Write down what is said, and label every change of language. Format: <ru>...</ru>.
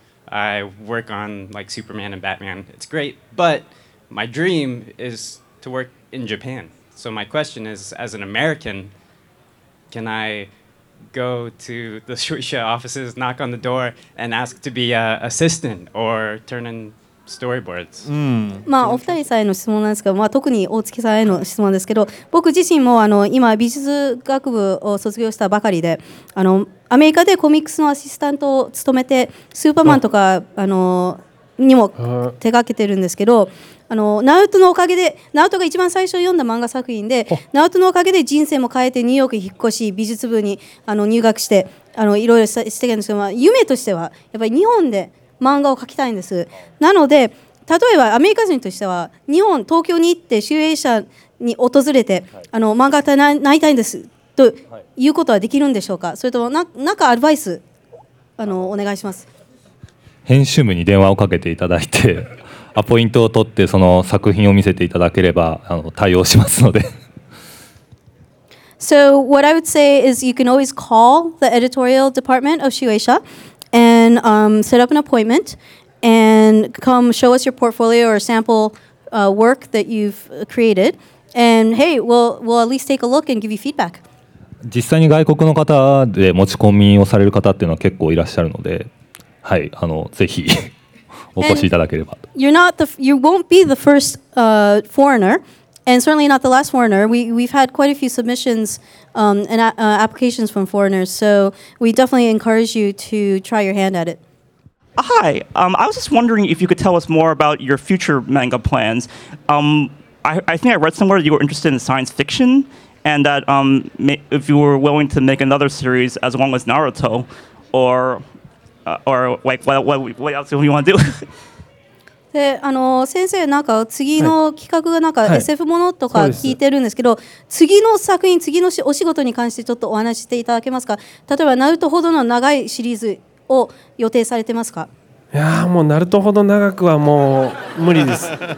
<en>I work on like Superman and Batman. It's great, but my dream is to work in Japan. So my question is, as an American, can I go to the Shueisha offices, knock on the door, and ask to be an assistant or turn in storyboards.</en> <ja>まあお二人さんへの質問なんですけど、まあ特に大月さんへの質問ですけど、僕自身も今美術学部を卒業したばかりで、アメリカでコミックスのアシスタントを務めて、スーパーマンとかにも手掛けてるんですけど、ナウトのおかげで、ナウトが一番最初読んだ漫画作品で、ナウトのおかげで人生も変えてニューヨークに引っ越し、美術部に入学して、いろいろしてるんですけど、まあ夢としてはやっぱり日本で漫画を描きたいんです。なので例えばアメリカ人としては、日本東京に行って集英社に訪れて、はい、漫画家になりたいんですと、はい、いうことはできるんでしょうか。それとも何かアドバイスお願いします。編集部に電話をかけていただいてアポイントを取ってその作品を見せていただければ対応しますので。</ja> <en>So what I would say is you can always call the editorial department of 集英社and set up an appointment and come show us your portfolio or sample work that you've created and hey, we'll at least take a look and give you feedback.</en> <ja>実際に外国の方で持ち込みをされる方っていうのは結構いらっしゃるので、はい、ぜひお越しいただければ。</ja> <en>You won't be the first foreigner And certainly not the last foreigner. We've had quite a few submissions and applications from foreigners. So we definitely encourage you to try your hand at it. Hi. I was just wondering if you could tell us more about your future manga plans. I think I read somewhere that you were interested in science fiction, and that if you were willing to make another series as long as Naruto, or like what else do you want to do?</en> <ja>で、あの、先生、なんか次の企画がなんか SF ものとか聞いてるんですけど、はい、次の作品、次のお仕事に関してちょっとお話していただけますか。例えばナルトほどの長いシリーズを予定されてますか。いやー、もうナルトほど長くはもう無理です。</ja>